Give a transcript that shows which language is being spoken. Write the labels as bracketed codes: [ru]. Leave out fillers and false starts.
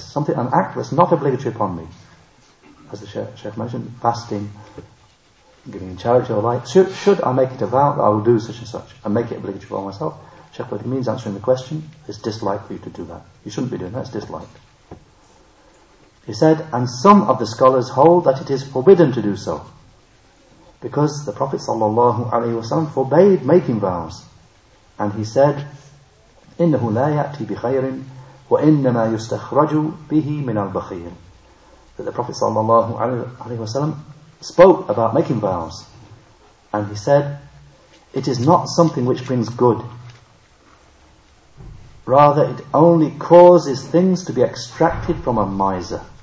[en] Something, an act that's not obligatory upon me. As the Sheikh mentioned, fasting, giving in charity or the like, should I make it a vow that I will do such and such and make it obligatory for myself? Sheikh Qadhimi means answering the question, it's dislike for you to do that. You shouldn't be doing that, it's dislike. He said, and some of the scholars hold that it is forbidden to do so, because the Prophet ﷺ forbade making vows. And he said, [ar] إِنَّهُ لَا يَأْتِي بِخَيْرٍ وَإِنَّمَا يُسْتَخْرَجُ بِهِ مِنَ الْبَخِيرٍ. [en] That the Prophet ﷺ spoke about making vows. And he said, it is not something which brings good. Rather, it only causes things to be extracted from a miser.